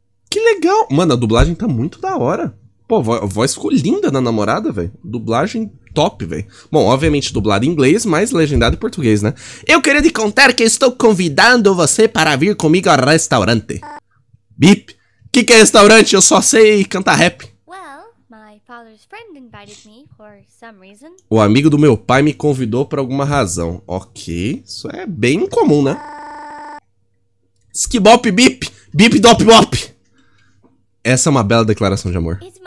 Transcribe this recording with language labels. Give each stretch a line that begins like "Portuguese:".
Portuguese: Que legal. Mano, a dublagem tá muito da hora. Pô, a voz ficou linda na namorada, velho. Dublagem top, velho. Bom, obviamente dublado em inglês, mas legendado em português, né? Eu queria te contar que estou convidando você para vir comigo ao restaurante. Bip. Que é restaurante? Eu só sei cantar rap.
English: Well, my father's friend invited me for some reason.
Portuguese: O amigo do meu pai me convidou por alguma razão. Ok. Isso é bem comum, né? Skibop bip, bip dop bop. Essa é uma bela declaração de amor.